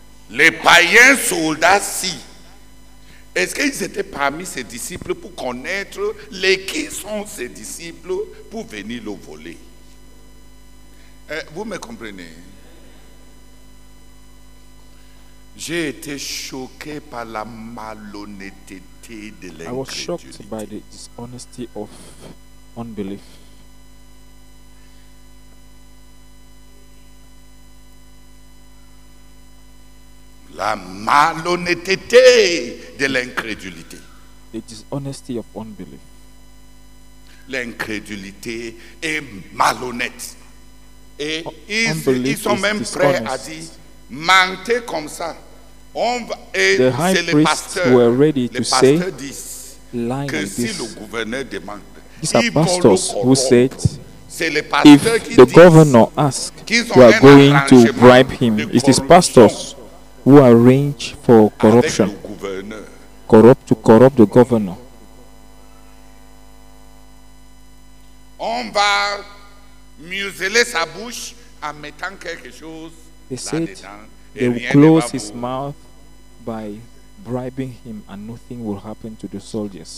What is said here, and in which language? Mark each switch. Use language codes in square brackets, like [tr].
[fr] Les païens soldats, si, est-ce qu'ils étaient parmi ses disciples pour connaître les qui sont ses disciples pour venir le voler? Vous me comprenez? J'ai été choqué par la malhonnêteté de l'incrédulité. [en] I was shocked by the dishonesty of unbelief. [fr] La malhonnêteté de l'incrédulité. [en] The dishonesty of unbelief. [fr] L'incrédulité est malhonnête. Et ils sont même prêts à dire, mentez comme ça. [en] The high priests were ready to say, lying like this. These are pastors who said, if the governor asks, we are going to bribe him. It is pastors who arrange for corruption, to corrupt the governor. [fr] On va museler sa bouche en mettant quelque chose là-dedans. [en] They said they will close his mouth by bribing him and nothing will happen to the soldiers.